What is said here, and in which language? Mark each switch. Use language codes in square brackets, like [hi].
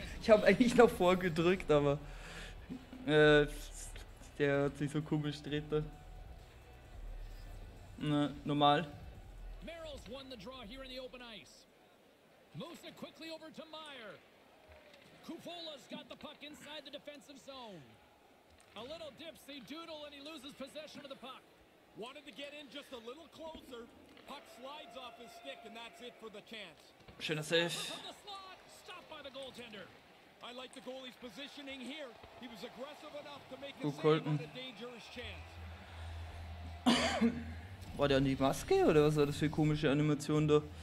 [de] Ich habe eigentlich noch vorgedrückt, aber. Der hat sich so komisch gedreht da. Normal. [en] Merrill's won the draw here in the open ice. Moves it quickly over to Meyer. Kufola's got the puck inside the defensive zone. A little dipsy doodle and he loses possession of the puck. Wanted to get in just a little closer. Puck slides off his stick and that's it for the chance. [de] Schöner save. [en] Stopped by the goaltender. I like the goalie's positioning here. He was aggressive enough to make a save on a dangerous chance. [de] War der an die Maske oder was war das für eine komische Animation da?